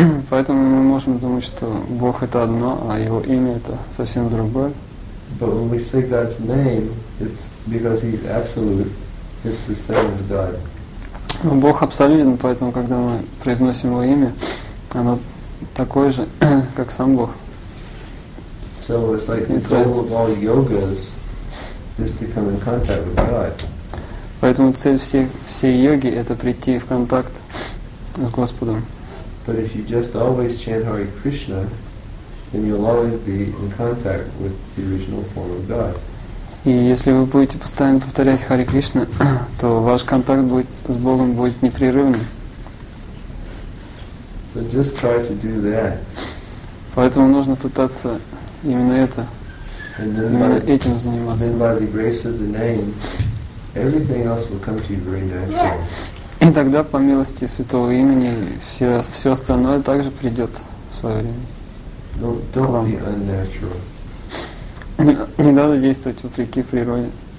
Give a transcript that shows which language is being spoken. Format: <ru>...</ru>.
<ru>Поэтому мы можем думать, что Бог — это одно, а Его имя — это совсем другое.</ru> <en>But when we say God's name, it's because He's absolute. It's the same as God.</en> <ru>Но Бог абсолютен, поэтому, когда мы произносим Его имя, оно такое же, как сам Бог.</ru> <en>So it's like the goal of all yogas is to come in contact with God.</en> <ru>Поэтому цель всей йоги – это прийти в контакт с Господом.</ru> <en>But if you just always chant Hare Krishna, then you'll always be in contact with the original form of God.</en> <ru>И если вы будете постоянно повторять Харе Кришна, то ваш контакт будет с Богом будет непрерывным.</ru> <en>So just try to do that.</en> <ru>Поэтому нужно пытаться именно это, именно этим заниматься.</ru> <en>Then by the grace of the name, everything else will come to you very naturally.</en> <ru>И тогда по милости Святого Имени все остальное также придет в свое время.</ru> <en>Don't be unnatural.</en> <ru>Не надо действовать вопреки природе.</ru>